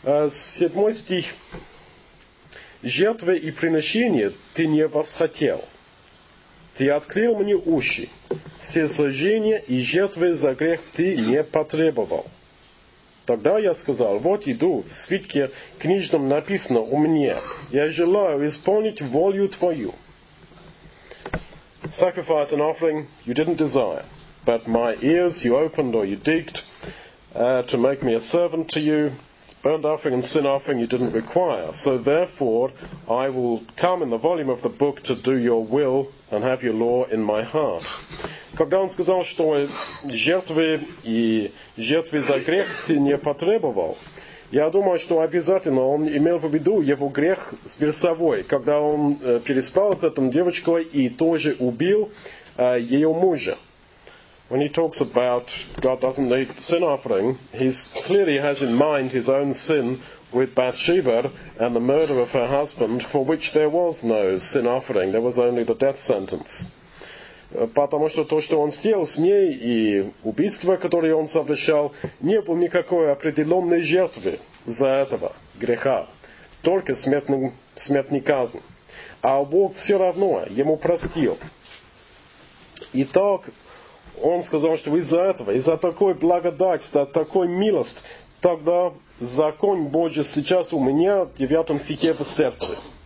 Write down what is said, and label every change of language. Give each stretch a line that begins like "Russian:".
Russian: Седьмой стих. «Жертвы и приношения ты не восхотел. Ты открыл мне уши. Все сожжения и жертвы за грех ты не потребовал. Тогда я сказал, вот иду, в свитке книжном написано у меня, я желаю исполнить волю твою.
English: Sacrifice and offering you didn't desire, but my ears you opened or you digged to make me a servant to you. Burnt offering and sin offering you didn't require. So therefore I will come in the volume of the book to do your will and have your law in my heart».
Russian: Когда он сказал, что жертвы и жертвы за грех ты не потребовал, я думаю, что обязательно он имел в виду его грех с Версавой, когда он переспал с этой девочкой и тоже убил ее мужа.
English: When he talks about God doesn't need sin offering, he clearly has in mind his own sin with Bathsheba and the murder of her husband, for which there was no sin offering, there was only the death sentence.
Russian: Потому что то, что он сделал с ней и убийство, которое он совершал, не было никакой определенной жертвы за этого греха, только смертный казнь. А Бог все равно ему простил. Итак, он сказал, что из-за этого, из-за такой благодати, из-за такой милости, тогда закон Божий сейчас у меня в 9 стихе в сердце.